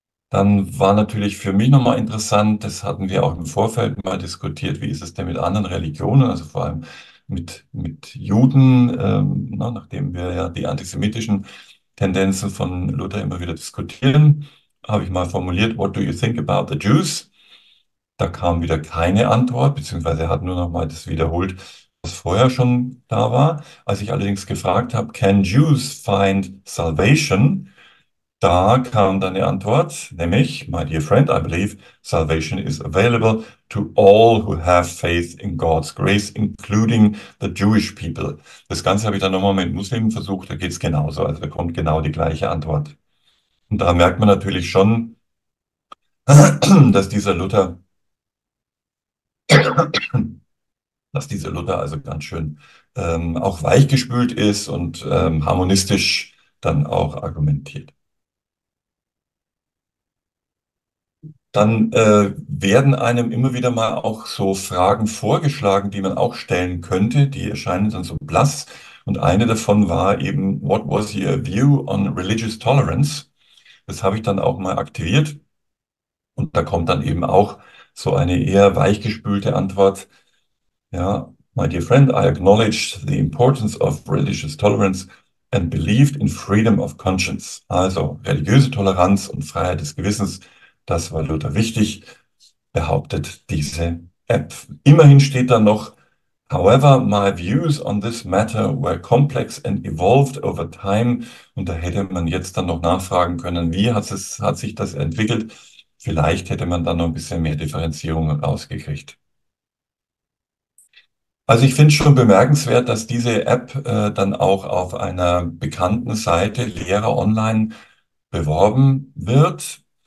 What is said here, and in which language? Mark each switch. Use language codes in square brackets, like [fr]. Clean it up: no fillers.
[de] Dann war natürlich für mich nochmal interessant, das hatten wir auch im Vorfeld mal diskutiert, wie ist es denn mit anderen Religionen, also vor allem mit Juden, na, nachdem wir ja die antisemitischen Tendenzen von Luther immer wieder diskutieren, habe ich mal formuliert, [en] what do you think about the Jews? [de] Da kam wieder keine Antwort, beziehungsweise er hat nur nochmal das wiederholt, was vorher schon da war. Als ich allerdings gefragt habe, [en] can Jews find salvation? [de] Da kam dann die Antwort, nämlich, [en] my dear friend, I believe salvation is available to all who have faith in God's grace, including the Jewish people. [de] Das Ganze habe ich dann nochmal mit Muslimen versucht, da geht es genauso, also da kommt genau die gleiche Antwort. Und da merkt man natürlich schon, dass dieser Luther also ganz schön auch weichgespült ist und harmonistisch dann auch argumentiert. Dann werden einem immer wieder mal auch so Fragen vorgeschlagen, die man auch stellen könnte, die erscheinen dann so blass. Und eine davon war eben, [en] what was your view on religious tolerance? [de] Das habe ich dann auch mal aktiviert. Und da kommt dann eben auch so eine eher weichgespülte Antwort. [en] Ja, my dear friend, I acknowledge the importance of religious tolerance and believed in freedom of conscience. [de] Also religiöse Toleranz und Freiheit des Gewissens, das war Luther wichtig, behauptet diese App. Immerhin steht da noch, [en] however, my views on this matter were complex and evolved over time. [de] Und da hätte man jetzt dann noch nachfragen können, wie hat sich das entwickelt? Vielleicht hätte man dann noch ein bisschen mehr Differenzierung rausgekriegt. Also ich finde es schon bemerkenswert, dass diese App dann auch auf einer bekannten Seite Lehrer Online beworben wird.